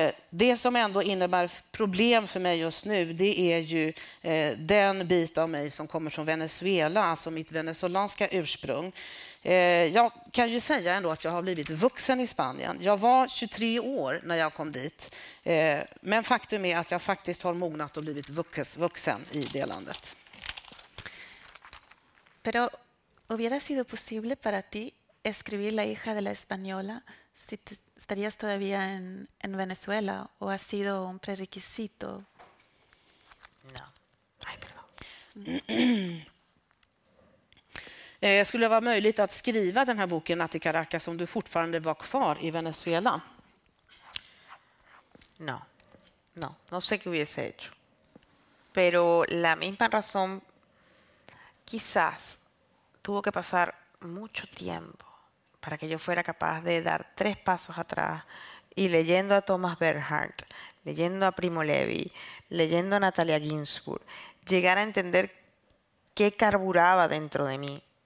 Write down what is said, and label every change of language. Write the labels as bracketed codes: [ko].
[sv] Det som ändå innebär problem för mig just nu, det är ju den bit av mig som kommer från Venezuela, alltså mitt venezolanska ursprung. Jag kan ju säga ändå att jag har blivit vuxen i Spanien. Jag var 23 år när jag kom dit, men faktum är att jag faktiskt har mognat och blivit vuxen i det landet. [es] Pero hubiera sido posible para ti escribir La hija de la española si te, estarías todavía en Venezuela o ha sido un prerequisito. No. Ay, perdón. [sv] Skulle det vara möjligt att skriva den här boken Natt i Caracas om du fortfarande var kvar i Venezuela? [es] No. No, no sé qué hubiese hecho. Pero la misma razón quizás tuvo que pasar mucho tiempo para que yo fuera capaz de dar tres pasos atrás y leyendo a Thomas Bernhardt, leyendo a Primo Levi, leyendo a Natalia Ginzburg, llegar a entender qué carburaba dentro de mí.